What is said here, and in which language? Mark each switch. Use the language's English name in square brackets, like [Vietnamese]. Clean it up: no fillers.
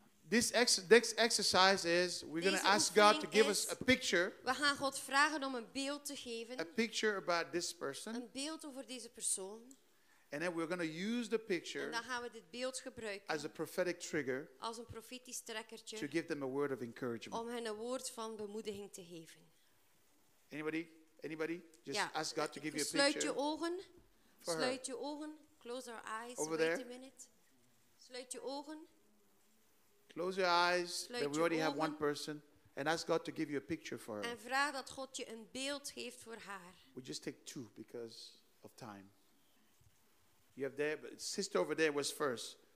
[English] This exercise is we're going to ask God to give us a picture. [Dutch] We gaan God vragen om een beeld te geven. [English] A picture about this person. [Dutch] Een beeld over deze persoon. [English] And then we're going to use the picture. [Dutch] En dan gaan we dit beeld gebruiken. [English] As a prophetic trigger. [Dutch] Als een profetisch trekkertje. [English] To give them a word of encouragement. [Dutch] Om hen een woord van bemoediging te geven. [English] Anybody? Ask God to give you a picture. [Dutch] Sluit je ogen. [English] Close our eyes. Over there. Wait a minute. [Dutch] Sluit je ogen. [English] Close your eyes, but we already have one person, and ask God to give you a picture for her. [Dutch] En vraag dat God je een beeld geeft voor haar. [English] We just take two because of time. You have there, but sister over there was first.